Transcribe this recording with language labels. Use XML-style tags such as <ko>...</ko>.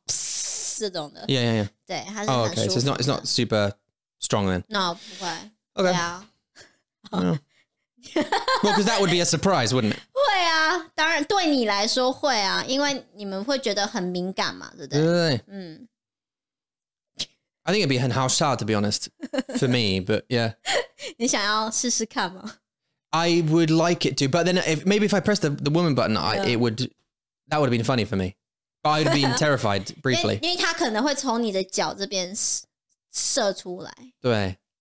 <zh>我的蛋蛋，对不对？对，对啊，他就会找到对的位置，然后就这样。对啊，然后不会，我觉得如果你用的话，应该不会痛，因为它很温柔，它的水很温柔，它不是那种这种的。对，它是那种。Okay,</zh> <en>so it's not super. Strong then? No, 不会. Okay. Yeah. Well, because that would be a surprise, wouldn't it?</en> <zh>会啊,当然对你来说会啊,因为你们会觉得很敏感嘛,对不对?</zh> <en>I think it'd be 很好笑, to be honest, for me, but yeah.</en> <zh>你想要试试看吗?</zh> <en>I would like it to, but then if, maybe if I press the woman button, yeah. It would That would have been funny for me. But I'd have been terrified briefly. Because it could</en>